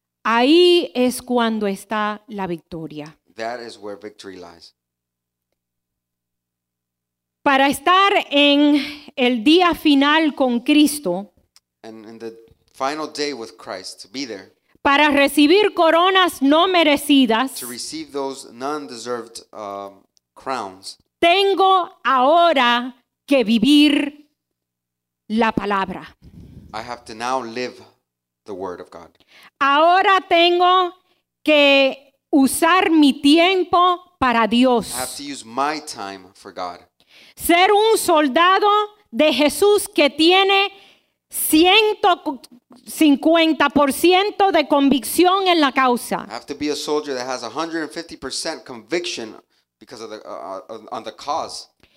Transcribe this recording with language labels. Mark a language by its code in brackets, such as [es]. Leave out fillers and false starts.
[es] ahí es cuando está la victoria. [en] That is where victory lies. [es] Para estar en el día final con Cristo, [en] and in the final day with Christ, to be there, [es] para recibir coronas no merecidas, [en] to receive those non-deserved crowns, [es] tengo ahora que vivir la palabra. [en] I have to now live the word of God. [es] Ahora tengo que usar mi tiempo para Dios. [en] I have to use my time for God. [es] Ser un soldado de Jesús que tiene 150% de convicción en la causa. [en] I have to be a soldier that has 150% conviction because of the on the cause.